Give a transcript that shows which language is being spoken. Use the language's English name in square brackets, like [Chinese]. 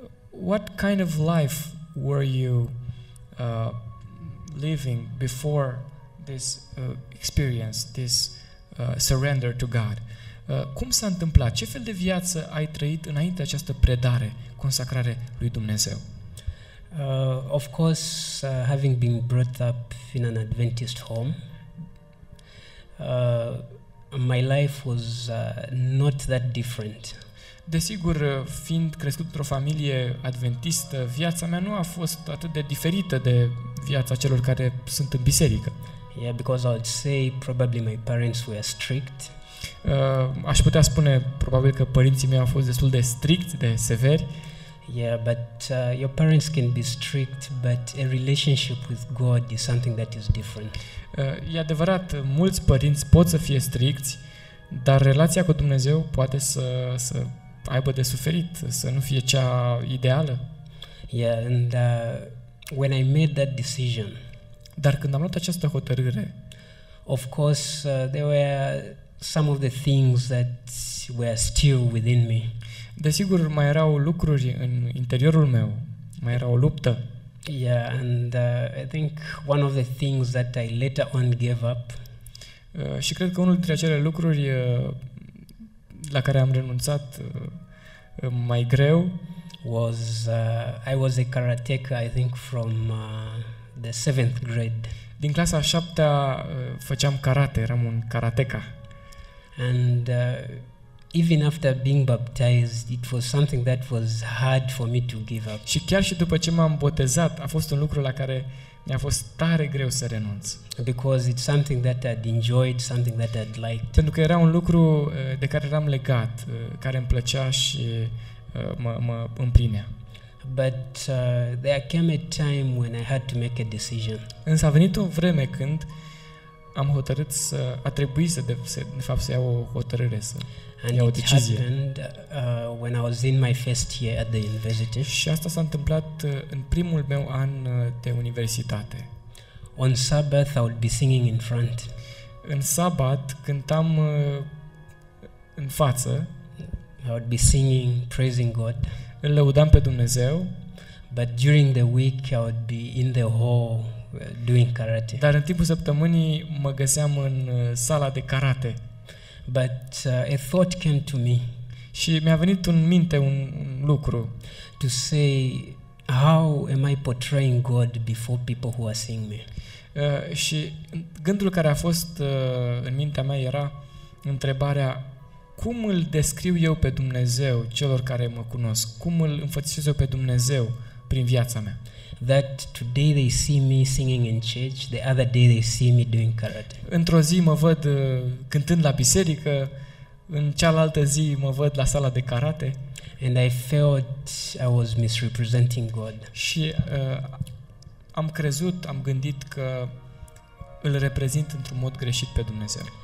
[English] What kind of life were you living before this experience, this surrender to God? [Romanian] Cum s-a întâmplat? Ce fel de viață ai trăit înainte de această predare, consacrare lui Dumnezeu? [English] Of course, having been brought up in an Adventist home, my life was not that different. [Romanian] Desigur, fiind crescut într-o familie adventistă, viața mea nu a fost atât de diferită de viața celor care sunt în biserică. [English] Yeah, because I'd say probably my parents were strict. [Romanian] Aș putea spune probabil că părinții mei au fost destul de stricți, de severi. [English] Yeah, but your parents can be strict, but a relationship with God is something that is different. [Romanian] E adevărat, mulți părinți pot să fie stricți, dar relația cu Dumnezeu poate să aibă de suferit, să nu fie cea ideală. [English] Yeah, and when I made that decision. [Romanian] Dar când am luat această hotărâre, [English] of course there were some of the things that were still within me. [Romanian] Desigur, mai erau lucruri în interiorul meu. Mai era o luptă. [English] Yeah, and I think one of the things that I later on gave up. [Romanian] Și cred că unul dintre acele lucruri la care am renunțat mai greu [English] was I was a karateka, I think from the 7th grade. [Romanian] Din clasa a 7-a făceam karate, eram un karateka. [English] And even after being baptized, it was something that was hard for me to give up. [Romanian] Și chiar și după ce m-am botezat, a fost un lucru la care mi-a fost tare greu să renunț. [English] Because it's something that I'd enjoyed, something that I'd liked. [Romanian] Pentru că era un lucru de care eram legat, care îmi plăcea și mă împlinea. [English] But there came a time when I had to make a decision. [Romanian] Însă a venit o vreme când am hotărât să, a trebuit să, de fapt, să iau o hotărâre, să and iau o decizie. [English] It happened, when I was in my first year at the university. [Romanian] Și asta s-a întâmplat în primul meu an de universitate. [English] On Sabbath, I would be singing in front. [Romanian] În sabat, cântam în față. [English] I would be singing, praising God. [Romanian] Îl lăudam pe Dumnezeu. [English] But during the week, I would be in the hall doing karate. [Romanian] Dar în timpul săptămânii mă găseam în sala de karate. [English] But a thought came to me. [Romanian] Și mi-a venit în minte un lucru. [English] To say, how am I portraying God before people who are seeing me? [Romanian] Și gândul care a fost în mintea mea era întrebarea: cum îl descriu eu pe Dumnezeu celor care mă cunosc? Cum îl înfățișez eu pe Dumnezeu prin viața mea? [English] That today they see me singing in church, the other day they see me doing karate. [Romanian] Într-o zi mă văd cântând la biserică, în cealaltă zi mă văd la sala de karate. [English] And I felt I was misrepresenting God. [Romanian] Și am crezut, am gândit că îl reprezint într-un mod greșit pe Dumnezeu.